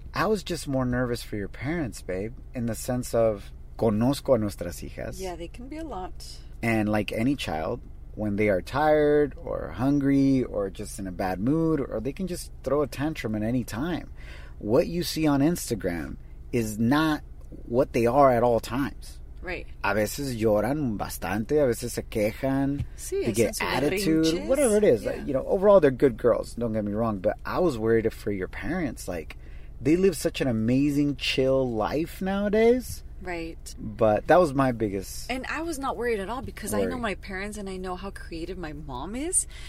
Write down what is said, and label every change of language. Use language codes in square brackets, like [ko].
[en] I was just more nervous for your parents, babe, in the sense of, [es] conozco a nuestras hijas. [en] Yeah, they can be a lot. And like any child, when they are tired or hungry or just in a bad mood, or they can just throw a tantrum at any time. What you see on Instagram is not what they are at all times. Right. [es] A veces lloran bastante, a veces se quejan, sí, [en] they get attitude, rinches. Whatever it is. Yeah. Like, you know, overall, they're good girls, don't get me wrong, but I was worried for your parents. Like, they live such an amazing, chill life nowadays. Right. But that was my biggest... And I was not worried at all because worry. I know my parents and I know how creative my mom is.